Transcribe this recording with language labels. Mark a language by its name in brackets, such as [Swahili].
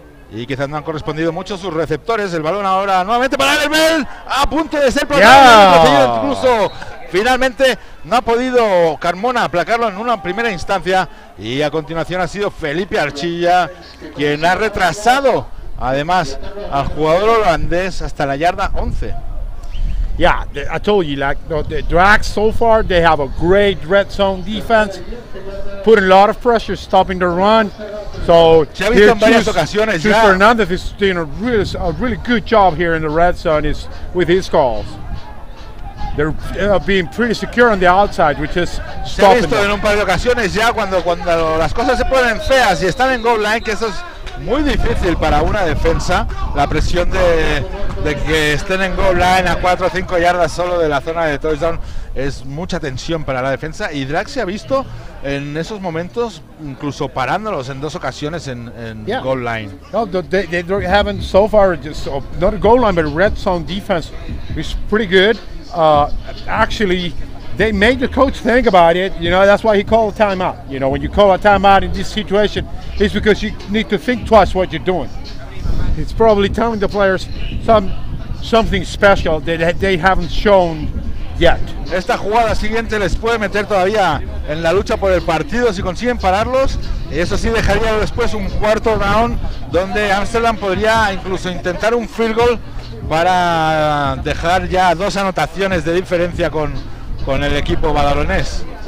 [Spanish] Y quizás no han correspondido mucho sus receptores. El balón ahora nuevamente para Evenbell, a punto de ser protagonista. Yeah. Incluso finalmente no ha podido Carmona aplacarlo en una primera instancia. Y a continuación ha sido Felipe Archilla quien ha retrasado además al jugador holandés hasta la yarda 11. [English] Yeah, I told you, like the Drax so far, they have a great red zone defense, putting a lot of pressure, stopping the run. So Chus Fernandez is doing a really good job here in the red zone is with his calls. They're being pretty secure on the outside, which is stopping. [Spanish] Se ha visto en un par de ocasiones ya cuando las cosas se ponen feas y están en goal line, que eso es muy difícil para una defensa, la presión de que estén en goal line a 4 o 5 yardas solo de la zona de touchdown es mucha tensión para la defensa. Y Drax se ha visto en esos momentos incluso parándolos en dos ocasiones en [English] yeah. [Spanish] goal line. [English] No, they haven't so far, just, not a goal line, but red zone defense is pretty good. Actually, they made the coach think about it, you know, that's why he called a timeout. You know, when you call a timeout in this situation, it's because you need to think twice what you're doing. It's probably telling the players something special that they haven't shown yet. [Spanish] Esta jugada siguiente les puede meter todavía en la lucha por el partido si consiguen pararlos. Eso sí, dejaría después un cuarto down donde Amsterdam podría incluso intentar un field goal para dejar ya dos anotaciones de diferencia con el equipo badalonés.